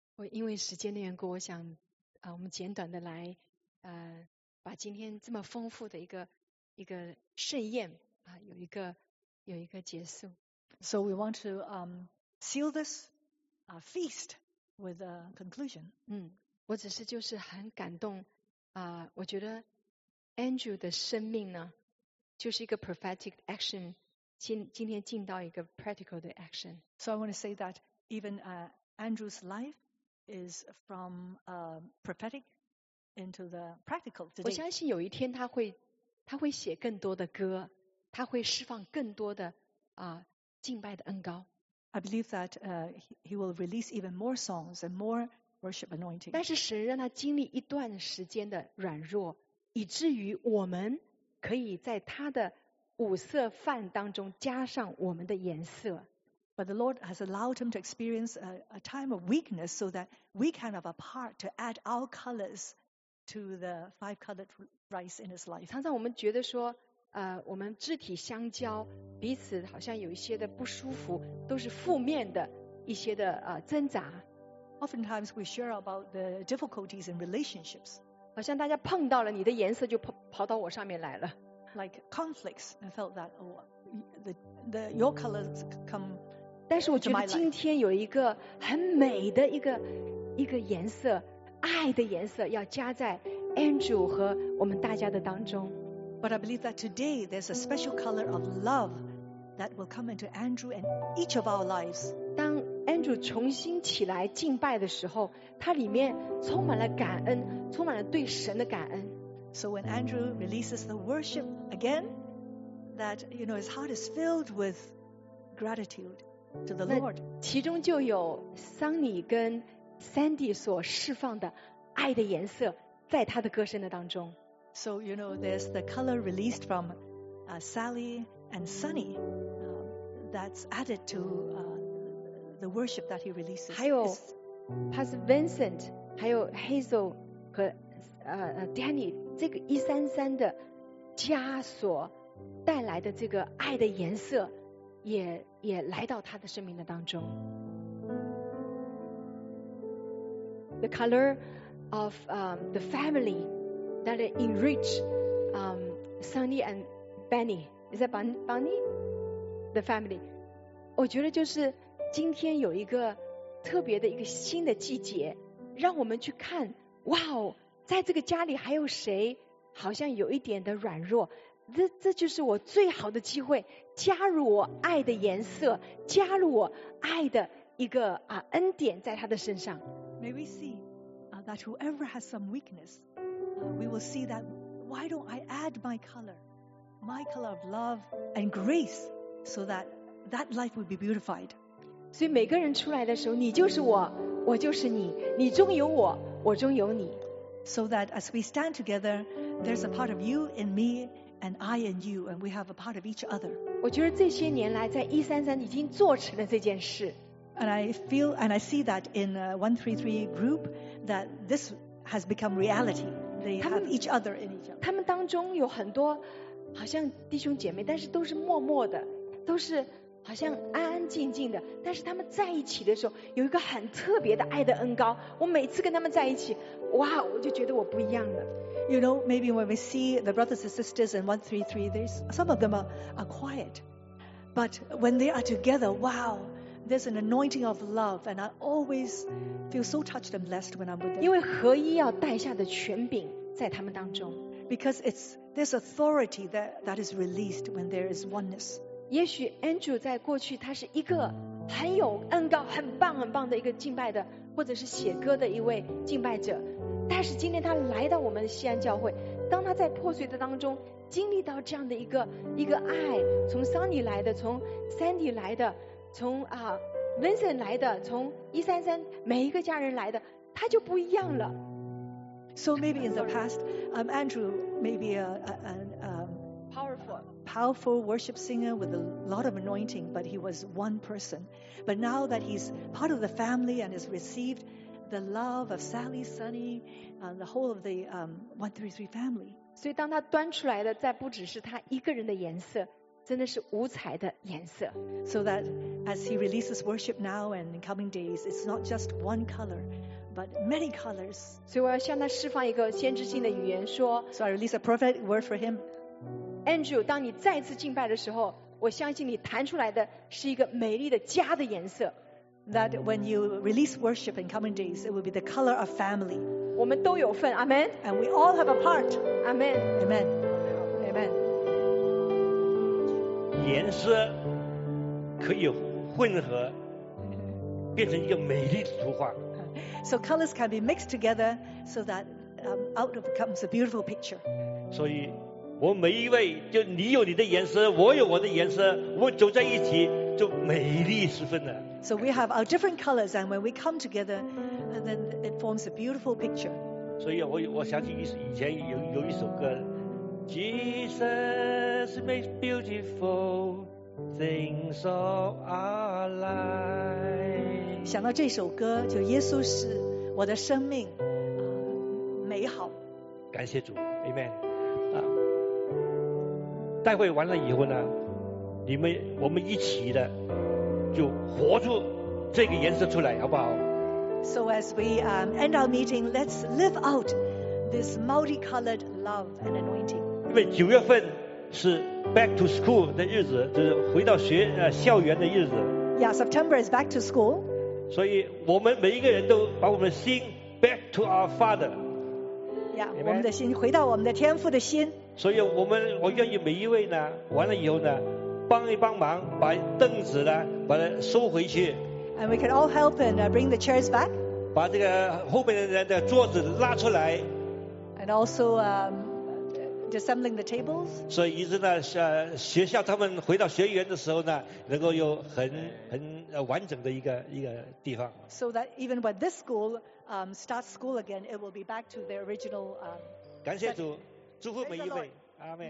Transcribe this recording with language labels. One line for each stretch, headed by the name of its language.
Chinese: 因为时间的缘故，我想，我们简短的来，把今天这么丰富的一个盛宴啊，有一个结束。
English: So we want to seal this feast with a conclusion.
Chinese: 嗯，我只是就是很感动啊，我觉得 Andrew 的生命呢，就是一个
English: prophetic action，
Chinese: 今天进到一个 practical 的 action.
English: So I want to say that even Andrew's life. Is from prophetic into the practical. Today.
Chinese: 我相信有一天他会写更多的歌，他会释放更多的敬拜的恩膏。
English: I believe that he will release even more songs and more worship anointing.
Chinese: 但是神让他经历一段时间的软弱，以至于我们可以在他的五色饭当中加上我们的颜色。
English: But the Lord has allowed him to experience a time of weakness so that we can have a part to add our colors to the five colored rice in his life.
Chinese: 常常我们觉得说，我们肢体相交，彼此好像有一些的不舒服，都是负面的一些的挣扎。
English: Oftentimes we share about the difficulties in relationships.
Chinese: 好像大家碰到了你的颜色就跑到我上面来了。
English: Like conflicts, I felt that the your colors come.
Chinese: 但是我觉得今天有一个很美的一个颜色，爱的颜色要加在 Andrew 和我们大家的当中。
English: But I believe that today there's a special color of love that will come into Andrew and each of our lives.
Chinese: 当 Andrew 重新起来敬拜的时候，他里面充满了感恩，充满了对神的感恩。
English: So when Andrew releases the worship again, that you know his heart is filled with gratitude. To the Lord.
Chinese: 那其中就有桑尼跟 Sandy 所释放的爱的颜色在他的歌声的当中。
English: So you know, there's the color released from Sally and Sunny that's added to the worship that he releases.
Chinese: 还有 Pastor Vincent, 还有 Hazel 和Danny 这个一三三的家所带来的这个爱的颜色。也来到他的生命的当中。
English: The color of the family that enrich Sunny and Benny is that Bunny? The family.
Chinese: 我觉得就是今天有一个特别的一个新的季节，让我们去看，哇哦，在这个家里还有谁好像有一点的软弱。这就是我最好的机会，加入我爱的颜色，加入我爱的一个恩典在他的身上。
English: May we see that whoever has some weakness, we will see that why don't I add my color of love and grace, so that life will be beautified.
Chinese: 所以每个人出来的时候，你就是我，我就是你，你中有我，我中有你。
English: So that as we stand together, there's a part of you in me. And I and you, and we have a part of each other.
Chinese: 我觉得这些年来，在一三三已经做成了这件事。
English: And I feel and I see that in a 133 group that this has become reality. They have each other in each other.
Chinese: 他们当中有很多好像弟兄姐妹，但是都是默默的，都是好像安安静静的，但是他们在一起的时候有一个很特别的爱的恩膏，我每次跟他们在一起，哇，我就觉得我不一样了。
English: You know, maybe when we see the brothers and sisters in 133, there's, some of them are quiet, but when they are together, wow, there's an anointing of love, and I always feel so touched and blessed when I'm with them.
Chinese: 因为合一要带下的权柄在他们当中。
English: Because it's, there's authority that is released when there is oneness.
Chinese: 也许 Andrew 在过去他是一个很有恩膏很棒很棒的一个敬拜的或者是写歌的一位敬拜者，但是今天他来到我们西安教会，当他在破碎的当中经历到这样的一个爱，从 Sunny 来的，从 Sandy 来的，从Vincent 来的，从133每一个家人来的，他就不一样了。
English: So maybe in the past Andrew maybe a powerful worship singer with a lot of anointing, but he was one person. But now that he's part of the family and has received the love of Sally, Sunny, and the whole of the 133 family.
Chinese: 所以当他端出来的，再不只是他一个人的颜色，真的是五彩的颜色。
English: So that as he releases worship now and in coming days, it's not just one color. But many colors.
Chinese: 所以我要向他释放一个先知性的语言，说。
English: So I release a prophetic word for him.
Chinese: Andrew, 当你再次敬拜的时候，我相信你弹出来的是一个美丽的家的颜色。
English: That when you release worship in coming days, it will be the color of family.
Chinese: 我们都有份 ，Amen.
English: And we all have a part. Amen. Amen. Amen.
Chinese: 颜色可以混合，变成一个美丽的图画。
English: So colors can be mixed together so that out of comes a beautiful picture.
Chinese: 所以我每一位就你有你的颜色，我有我的颜色，我走在一起就美丽十分了。
English: So we have our different colors, and when we come together, then it forms a beautiful picture.
Chinese: 所以我想起以前有一首歌 ，
English: Jesus makes beautiful things of our life.
Chinese: 想到这首歌，就耶稣是我的生命，美好。感谢主 ，Amen。待会完了以后呢，我们一起的，就活出这个颜色出来，好不好
English: ？So as we end our meeting, let's live out this multicolored love and anointing.
Chinese: 因为九月份是 Back to School 的日子，就是回到学校园的日子。
English: Yeah, September is Back to School.
Chinese: 所以我们每一个人都把我们的心
English: back to our Father，
Chinese: 呀、yeah, ，我们的心回到我们的天父的心。所以我愿意每一位呢，完了以后呢，帮一帮忙，把凳子呢，把它收回去。
English: And we can all help and bring the chairs back。
Chinese: 把这个后面的桌子拉出来。
English: And also disassembling the tables。
Chinese: 所以一直呢，学校他们回到学员的时候呢，能够有很。完整的一个地方。
English: So that even when this school starts school again, it will be back to the original.
Chinese: 感谢主，祝福每一位。阿门。